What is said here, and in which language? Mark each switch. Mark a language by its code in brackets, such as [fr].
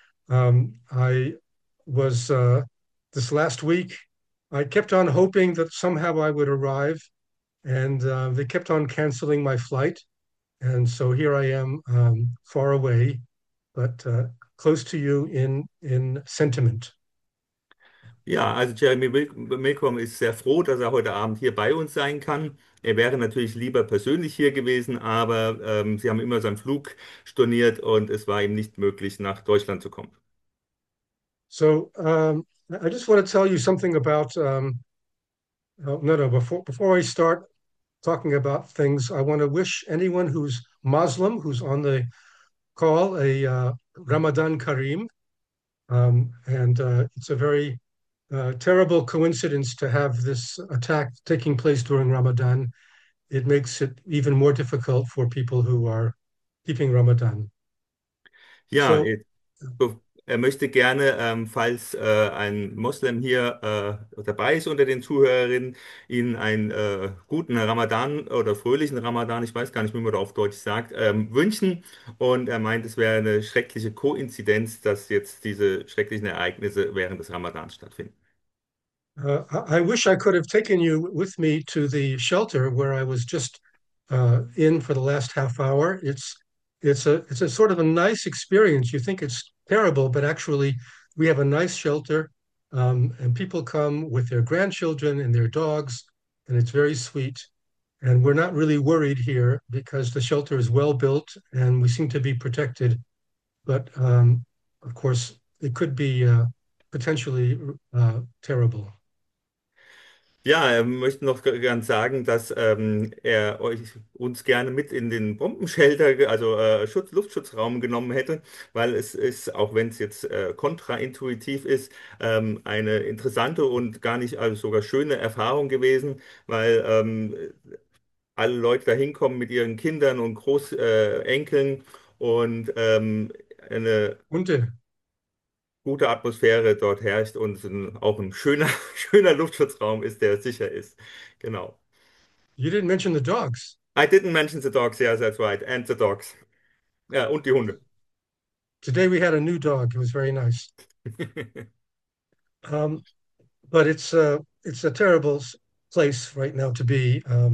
[en] I was this last week, I kept on hoping that somehow I would arrive, and they kept on canceling my flight. And so here I am, far away, but close to you in sentiment. [de] Ja, also Jeremy Milcom ist sehr froh, dass er heute Abend hier bei uns sein kann. Er wäre natürlich lieber persönlich hier gewesen, aber sie haben immer seinen Flug storniert und es war ihm nicht möglich, nach Deutschland zu kommen. [en] So, I just want to tell you something about, no, before I start talking about things, I want to wish anyone who's Muslim, who's on the call, a Ramadan Kareem. It's a very terrible coincidence to have this attack taking place during Ramadan. It makes it even more difficult for people who are keeping Ramadan. Ja, So, [de] er möchte gerne, falls ein Moslem hier dabei ist unter den Zuhörerinnen, Ihnen einen guten Ramadan oder fröhlichen Ramadan, ich weiß gar nicht, wie man das auf Deutsch sagt, wünschen. Und er meint, es wäre eine schreckliche Koinzidenz, dass jetzt diese schrecklichen Ereignisse während des Ramadans stattfinden. [en] I wish I could have taken you with me to the shelter where I was just in for the last half hour. It's a sort of a nice experience. You think it's terrible, but actually we have a nice shelter, and people come with their grandchildren and their dogs, and it's very sweet. And we're not really worried here because the shelter is well built and we seem to be protected. But of course, it could be potentially terrible. [de] Ja, er möchte noch gern sagen, dass er uns gerne mit in den Bombenschelter, also Luftschutzraum genommen hätte, weil es ist, auch wenn es jetzt kontraintuitiv ist, eine interessante und gar nicht, also sogar schöne Erfahrung gewesen, weil alle Leute da hinkommen mit ihren Kindern und Großenkeln und eine Und gute Atmosphäre dort herrscht und auch ein schöner Luftschutzraum ist, der sicher ist. Genau. [en] you didn't mention the dogs. I didn't mention the dogs, yes, that's right. And the dogs. [de] Ja, und die Hunde. [en] Today we had a new dog. It was very nice. But it's a terrible place right now to be.